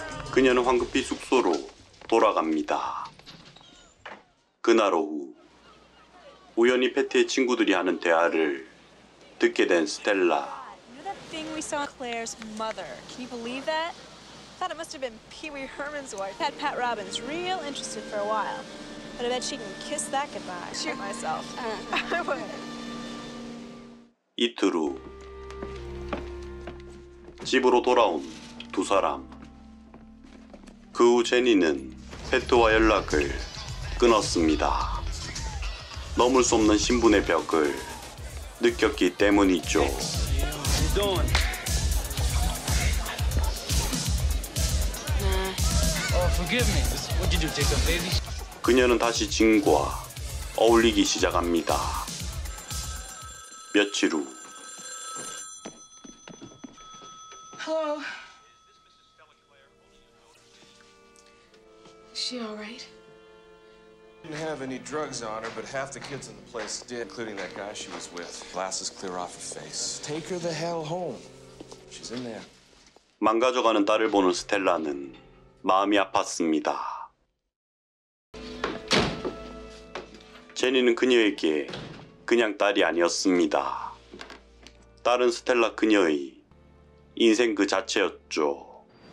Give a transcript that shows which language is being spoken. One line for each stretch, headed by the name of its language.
Korean: 그녀는 황급히 숙소로 돌아갑니다. 그날 오후 우연히 패티의 친구들이 하는 대화를 듣게 된 스텔라.
English: Thing we saw Claire's mother. Can you believe that? Thought it must have been Pee-wee Herman's wife. Had Pat Robbins real interested for a while. But I bet she can kiss that goodbye. Shoot myself. I would.
Korean: 이틀 후 집으로 돌아온 두 사람. 그 후 제니는 패트와 연락을 끊었습니다. 넘을 수 없는 신분의 벽을 느꼈기 때문이죠.
English: Forgive me. What did you do, take a baby?
Korean: 그녀는 다시 진과 어울리기 시작합니다. 며칠 후.
English: Hello. Is she all right? Didn't have any drugs on her, but half the kids in the place did, including that guy she was with. Glasses clear off her face. Take her the hell home. She's in there.
Korean: 망가져가는 딸을 보는 스텔라는 마음이 아팠습니다. 제니는 그녀에게 그냥 딸이 아니었습니다. 딸은 스텔라 그녀의 인생 그 자체였죠.